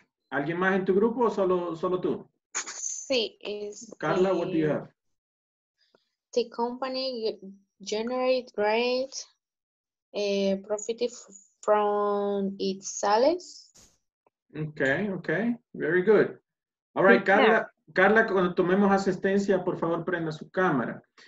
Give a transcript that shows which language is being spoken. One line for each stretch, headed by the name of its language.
Spanish: ¿Alguien más en tu grupo o solo tú? Sí. Is
English: Carla, what do you have? The company generates great profit from its sales. Okay, okay, very good. All right, Carla, yeah.
Spanish: Carla, cuando tomemos asistencia, por favor, prenda su cámara.